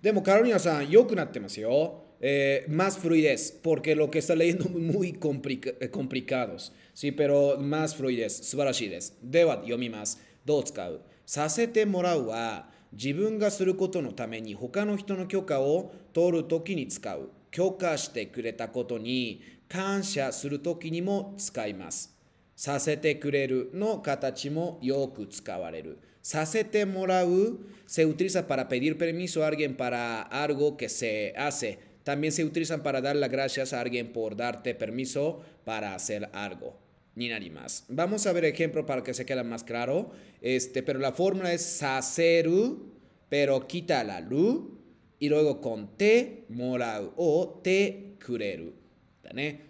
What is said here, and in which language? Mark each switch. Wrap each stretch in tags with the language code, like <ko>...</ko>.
<ja>でも、カロリナさん、良くなってますよ。</ja> <es>más fluidez, porque lo que está leyendo muy complicados. Sí, pero más fluidez,</es> <ja>素晴らしいです。では、読みます。どう使う？させてもらうは、自分がすることのために、他の人の許可を取るときに使う。許可してくれたことに、感謝するときにも使います。させてくれるの形もよく使われる。</ja> <es>させてもらう se utiliza para pedir permiso a alguien para algo que se hace. También se utilizan para dar las gracias a alguien por darte permiso para hacer algo. Ni nadie más. Vamos a ver ejemplo para que se quede más claro. Pero la fórmula es saceru, pero quita la lu y luego con te morau o te kureru. ¿Tane?</es>